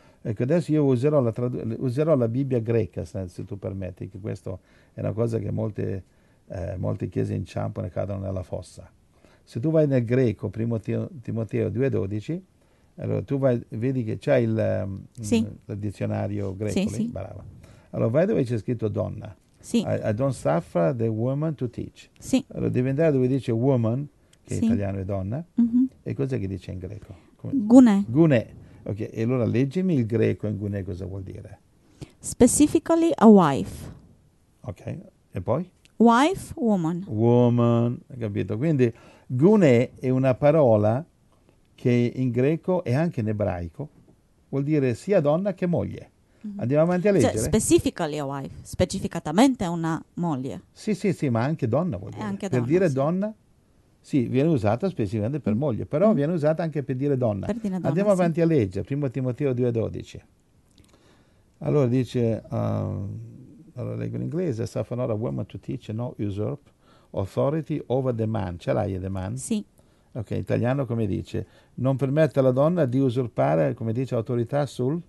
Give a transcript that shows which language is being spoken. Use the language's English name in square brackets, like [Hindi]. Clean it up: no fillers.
[Italian] Ecco, adesso io userò userò la Bibbia greca, se tu permetti, che questa è una cosa che molte chiese inciampano e cadono nella fossa. Se tu vai nel greco, Primo Timoteo 2,12, allora tu vai, vedi che c'è il dizionario greco. Sì, lì, sì. Brava. Allora vai dove c'è scritto donna. Sì. [English] I don't suffer the woman to teach. [Italian] Sì. Allora devi andare dove dice woman, che in italiano è donna. Mm-hmm. E cos'è che dice in greco? Gune. Ok, e allora leggimi il greco in gune cosa vuol dire. [English] Specifically a wife. [Italian] Ok, e poi? [English] Wife, woman. [Italian] Woman, capito. Quindi gune è una parola che in greco e anche in ebraico vuol dire sia donna che moglie. Mm-hmm. Andiamo avanti a leggere. Cioè, [English] specifically a wife, [Italian] specificatamente una moglie. Sì, sì, sì, ma anche donna vuol dire. Anche per donna, dire sì. Donna, sì, viene usata specificamente per moglie, però viene usata anche per dire donna. Per dire donna. Andiamo avanti sì. A leggere, Primo Timoteo 2,12. Allora dice... Allora, leggo in inglese, [English] suffer not a woman to teach, no usurp authority over the man. [Italian] Ce l'hai [English] the man? [Italian] Sì. Ok, in italiano come dice? Non permette alla donna di usurpare, come dice, autorità sul?